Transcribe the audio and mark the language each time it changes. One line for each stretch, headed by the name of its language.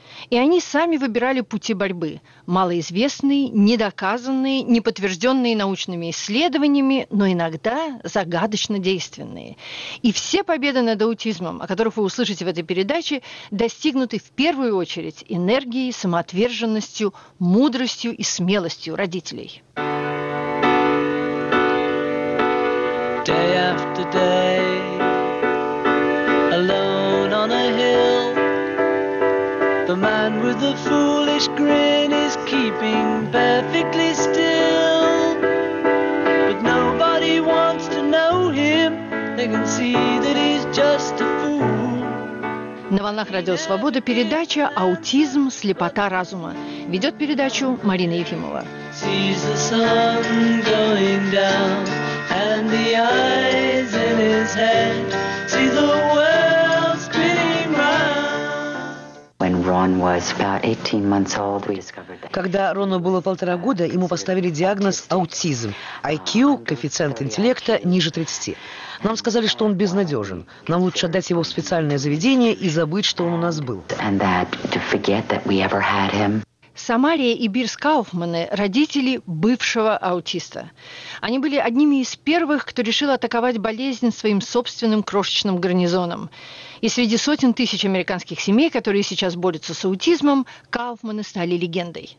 Russian: И они сами выбирали пути борьбы. Малоизвестные, недоказанные, неподтвержденные научными исследованиями, но иногда загадочно действенные. И все победы над аутизмом, о которых вы услышите в этой передаче, достигнуты в первую очередь энергией, самоотверженностью, мудростью и смелостью родителей.
English: Day after day, alone on a hill, the man with the foolish grin is keeping perfectly still. But nobody wants to know him, they can see that he's just a fool.
Russian: На волнах Радио Свобода передача «Аутизм. Слепота разума». Ведет передачу Марина Ефимова.
English: Sees the sun going down and the eyes in his head. See the world spinning round. When Ron was about 18 months old, we discovered that.
Russian: Когда Рону было полтора года, ему поставили диагноз аутизм. IQ, коэффициент интеллекта, ниже 30. Нам сказали, что он безнадежен. Нам лучше отдать его в специальное заведение и забыть, что он у нас был.
English: And that, to forget that we ever had him.
Russian: Самария и Бирс Кауфманы – родители бывшего аутиста. Они были одними из первых, кто решил атаковать болезнь своим собственным крошечным гарнизоном. И среди сотен тысяч американских семей, которые сейчас борются с аутизмом, Кауфманы стали легендой.